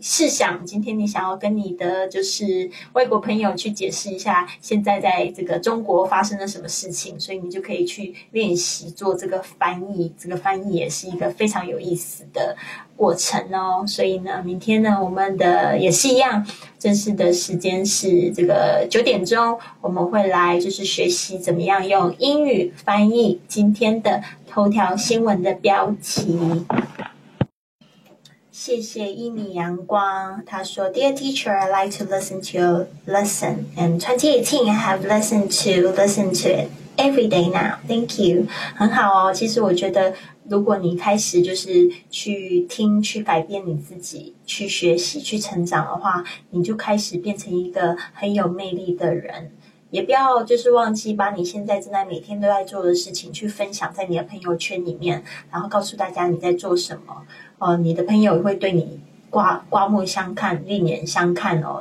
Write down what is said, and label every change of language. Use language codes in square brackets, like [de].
[zh] 试想今天你想要跟你的就是外国朋友去解释一下现在在这个中国发生了什么事情，所以你就可以去练习做这个翻译，这个翻译也是一个非常有意思的过程哦。所以呢明天呢我们的也是一样，正式的时间是这个九点钟，我们会来就是学习怎么样用英语翻译今天的头条新闻的标题。谢谢一米阳光，他说 [en] Dear teacher, I'd like to listen to your lesson. And 2018, I have listened to it every day now. Thank you. [zh] 很好哦，其实我觉得如果你开始就是去听，去改变你自己，去学习，去成长的话，你就开始变成一个很有魅力的人。也不要就是忘记把你现在正在每天都在做的事情去分享在你的朋友圈里面，然后告诉大家你在做什么，你的朋友会对你刮目相看，另眼相看哦。